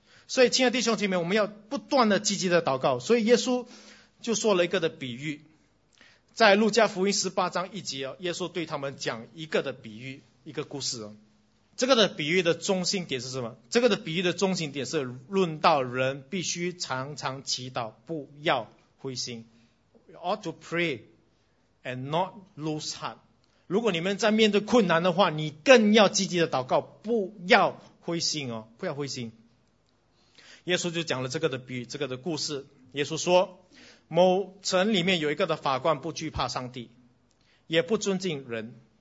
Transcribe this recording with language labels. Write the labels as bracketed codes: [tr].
[zh] 所以亲爱的弟兄姐妹，我们要不断的积极的祷告。所以耶稣就说了一个的比喻，在路加福音十八章一节，耶稣对他们讲一个的比喻，一个故事。这个的比喻的中心点是什么？这个的比喻的中心点是论到人必须常常祈祷，不要灰心。 [en] We ought to pray and not lose heart. [zh] 如果你们在面对困难的话，你更要积极的祷告，不要灰心哦，不要灰心。耶稣就讲了这个的比喻，这个的故事。耶稣说，某城里面有一个的法官不惧怕上帝，也不尊敬人。